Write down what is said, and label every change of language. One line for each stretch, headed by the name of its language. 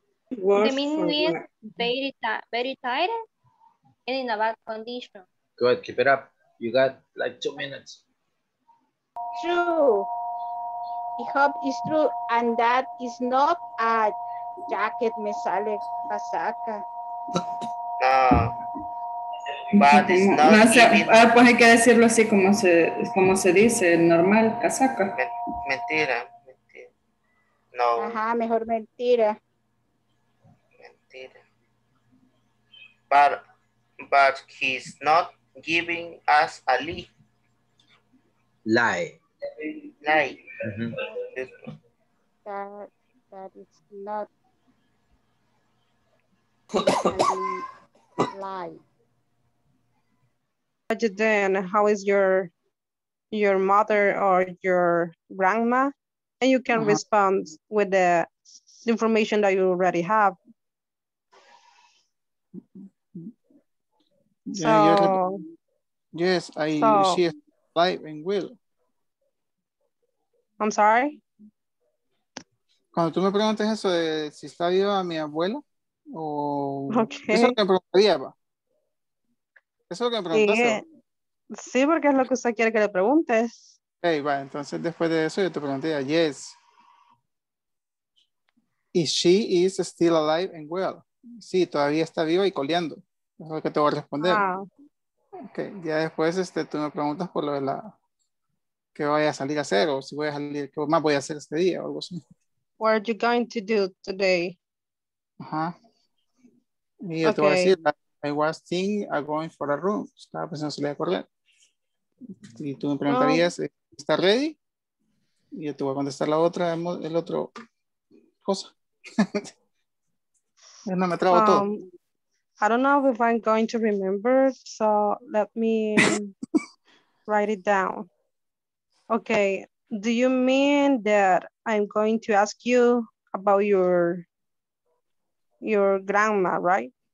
English: The meaning is very tired and in a bad condition. Good. Keep it up. You got like 2 minutes. True. I hope it's true and that is not a jacket,
Spanish: me sale casaca.
English: No. But it's not.
Spanish: No, o sea, ah, pues hay que decirlo así como se dice, normal, casaca. Mentira, mentira. No. Ajá, mejor mentira.
English: Mentira. But he's not giving us a lift. Lie. Lie. Mm-hmm. That is not lie. But then, how is your mother or your grandma? And you can mm-hmm. respond with the information that you already have. Yeah, so, yes, I so, she is alive and well. I'm sorry.
Spanish: Cuando tú me preguntas eso de si está viva mi abuela o
English: okay.
Spanish: Eso es lo que me preguntaría, va. Eso es lo que me preguntas. Sí, porque es lo que usted quiere que le preguntes. Hey, va, entonces después de eso yo te preguntaría, yes.
English: Is she is still alive and well?
Spanish: Sí, todavía está viva y coleando. Eso es lo que te voy a responder. Ah. Okay, ya después tú me preguntas por lo de la que vaya a salir a hacer, o si voy a salir, qué más voy a hacer este día, o algo así.
English: What are you going to do today?
Spanish: Ajá. Y yo
English: okay.
Spanish: Te voy a decir,
English: I was thinking of going for a room.
Spanish: Estaba pensando si le voy a correr. Y tú me preguntarías, oh. ¿Está ready? Y yo te voy a contestar la otra, el otro cosa. No me trabo todo.
English: I don't know if I'm going to remember, so let me write it down. Okay, do you mean that I'm going to ask you about your grandma, right?